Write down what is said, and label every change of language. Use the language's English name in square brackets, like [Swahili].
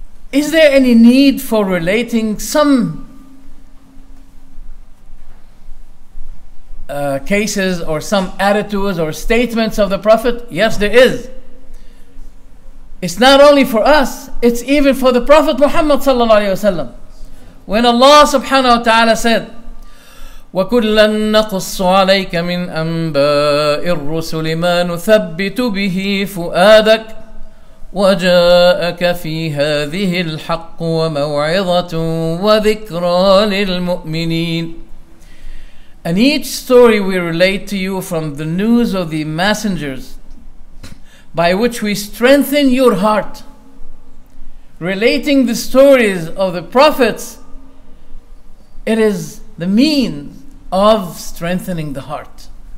[English] Is there any need for relating some cases or some attitudes or statements of the Prophet? Yes, there is. It's not only for us, it's even for the Prophet Muhammad sallallahu alaihi wasallam. When Allah subhanahu wa ta'ala said, [Arabic] وَكُلًّا نَقُصُّ عَلَيْكَ مِنْ أَنْبَاءِ الرُّسُلِ مَا نُثَبِّتُ بِهِ فُؤَادَكَ وَجَاءَكَ فِي هَذِهِ الْحَقُّ وَمَوْعِظَةٌ وَذِكْرَى لِلْمُؤْمِنِينَ. [English] And each story we relate to you from the news of the messengers, by which we strengthen your heart. Relating the stories of the prophets, it is the means of strengthening the heart.